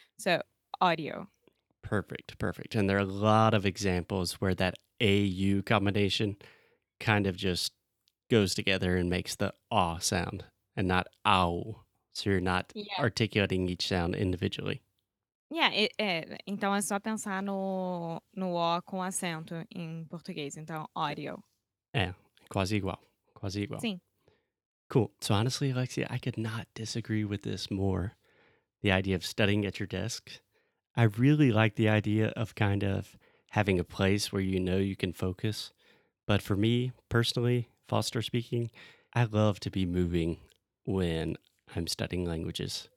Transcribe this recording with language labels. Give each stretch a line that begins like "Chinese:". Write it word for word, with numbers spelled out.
English: So, audio. Perfect, perfect. And there are a lot of examples where that A U combination kind of just goes together and makes the ah sound and not ow. So you're not Yeah. articulating each sound individually.
Portuguese: Yeah, e- é, então é só pensar no, no O com acento em português. Então, audio. Yeah, quasi igual, quasi igual. Sim.
English: Cool. So honestly, Alexia, I could not disagree with this more. The idea of studying at your desk. I really like the idea of kind of having a place where you know you can focus. But for me personally, Foster speaking, I love to be moving when I'm studying languages.